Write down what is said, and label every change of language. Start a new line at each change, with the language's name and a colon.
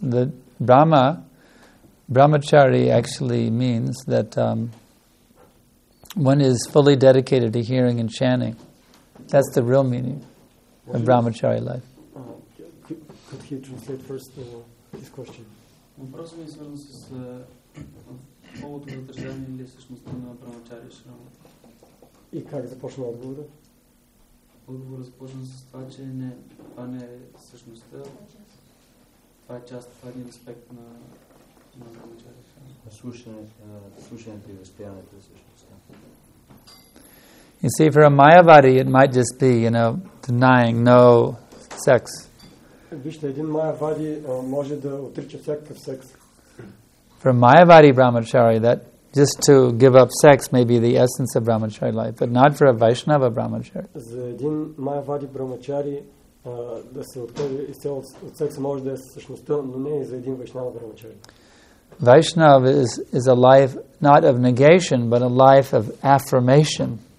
English: The brahmachari actually means that one is fully dedicated to hearing and chanting. That's the real meaning of brahmachari life. Could he translate first this question?
Bulgarian: Въпросът ми е свързан с повото за държане или същността на брамачари шрама. И как започна отговора? Отговора започна с това, че не, това не е същността. Това е част, това е един аспект на брамачари шрама. Слушането и възпяването е същността.
English: You see, for a Mayavadi, it might just be, you know, denying no sex.
Bulgarian: Вижте, един Mayavadi може да отрича всякакъв секс.
English: For Mayavadi Brahmachari, that Just to give up sex may be the essence of brahmachari life, but not for a Vaishnava brahmachari.
Bulgarian: За един майявади брамачари да се откаже изцяло от секса може да е същността, но не и за един вайшнава брамачари.
English: Vaishnava is a life not of negation, but a life of affirmation.